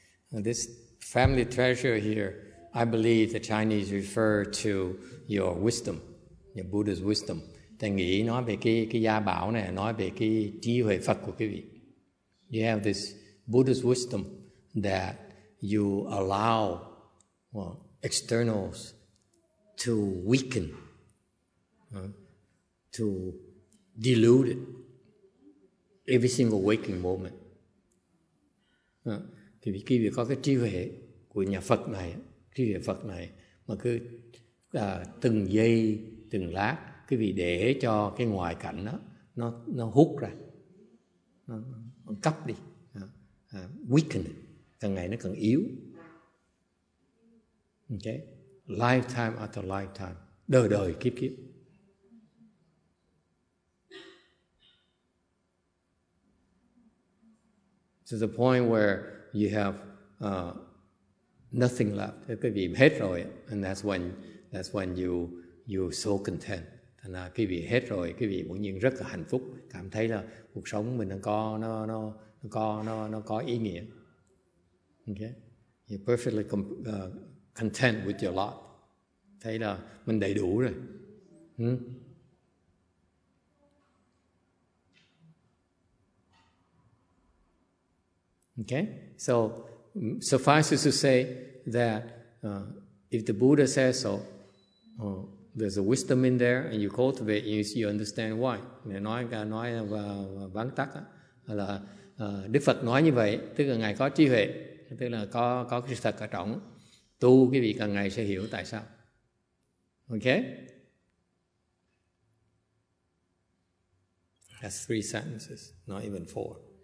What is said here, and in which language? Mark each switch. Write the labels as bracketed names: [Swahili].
[English] This family treasure here, I believe the Chinese refer to your wisdom, your Buddha's wisdom. [Vietnamese] Thầy nghĩ nói về cái gia bảo này, nói về cái trí huệ Phật của quý vị. [English] You have this Buddha's wisdom that you allow externals to weaken, to delude it every single waking moment. [Vietnamese] Thì khi vị có cái trí huệ của nhà Phật này, trí huệ Phật này, mà cứ từng giây, từng lát, cái vị để cho cái ngoại cảnh đó, nó hút ra, nó cắp đi, [English] weaken it, [Vietnamese] càng ngày nó càng yếu. Okay? [English] Lifetime after lifetime, [Vietnamese] đời đời kiếp kiếp. [English] To the point where you have nothing left. [Vietnamese] Cái vị hết rồi, [English] and that's when you're so content. [Vietnamese] Thành ra cái vị hết rồi, cái vị bỗng nhiên rất là hạnh phúc, cảm thấy là cuộc sống mình nó có ý nghĩa. [English] Okay, you're perfectly content with your lot. [Vietnamese] Thấy là mình đầy đủ rồi. [English] Okay, so suffices to say that if the Buddha says so, there's a wisdom in there, and you cultivate, you understand why. [Vietnamese] Nói vắn tắt là Đức Phật nói như vậy, tức là ngài có trí huệ, tức là có cái thật ở trong tu, cái vị càng ngày sẽ hiểu tại sao. [English] Okay, that's three sentences, not even four.